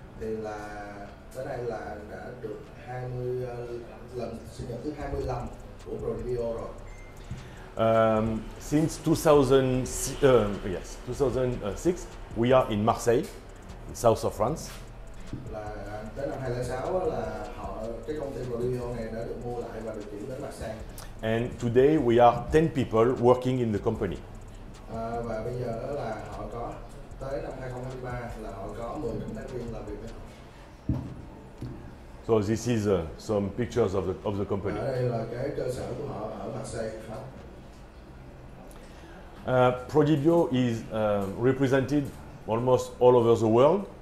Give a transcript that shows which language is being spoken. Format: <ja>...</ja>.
<vi>Thì là tới đây là đã được 20 lần sinh nhật thứ 25 của Prodibio rồi.</vi> <en>Since 2006, we are in Marseille, in south of France.</en> <vi>Là tới năm 2006 là họ cái công ty Prodibio này đã được mua lại và được chuyển đến Marseille.</vi> <en>And today we are 10 people working in the company.</en> <vi>Và bây giờ là họ có tới năm 2023 là họ có 10 cộng tác viên làm việc với họ.</vi> <en>So this is some pictures of the company.</en> <vi>Ở đây là cái cơ sở của họ ở Marseille, Pháp.</vi> <en>Prodibio is represented almost all over the world.</en>